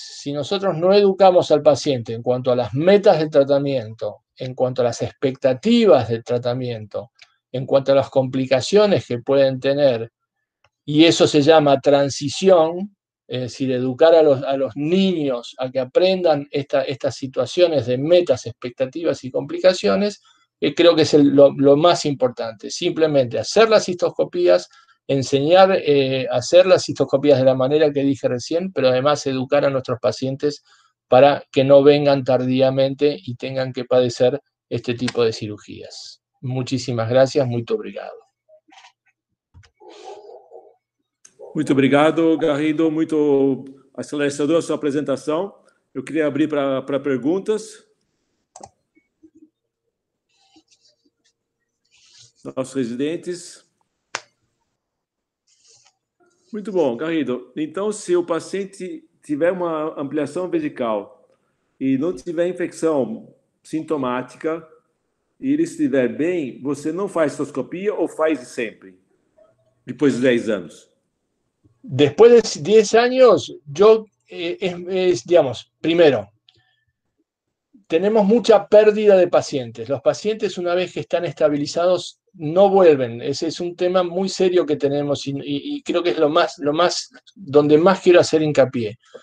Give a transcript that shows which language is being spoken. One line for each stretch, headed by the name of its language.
Spanish: Si nosotros no educamos al paciente en cuanto a las metas del tratamiento, en cuanto a las expectativas del tratamiento, en cuanto a las complicaciones que pueden tener, y eso se llama transición, es decir, educar a los niños a que aprendan estas situaciones de metas, expectativas y complicaciones, creo que es lo más importante. Simplemente hacer las cistoscopías, enseñar a hacer las cistoscopías de la manera que dije recién, pero además educar a nuestros pacientes para que no vengan tardíamente y tengan que padecer este tipo de cirugías. Muchísimas gracias,
Portuguese: muito obrigado. Muito obrigado, Garrido. Muito esclarecedor a sua apresentação. Eu queria abrir para perguntas. Nossos residentes. Muito bom, Garrido. Então, se o paciente tiver uma ampliação vesical e não tiver infecção sintomática e ele estiver bem, você não faz cistoscopia ou faz sempre? Depois de 10 anos.
Spanish: Después de 10 años, yo, digamos, primero, tenemos mucha pérdida de pacientes. Los pacientes, una vez que están estabilizados, no vuelven. Ese es un tema muy serio que tenemos y creo que es lo más, donde más quiero hacer hincapié.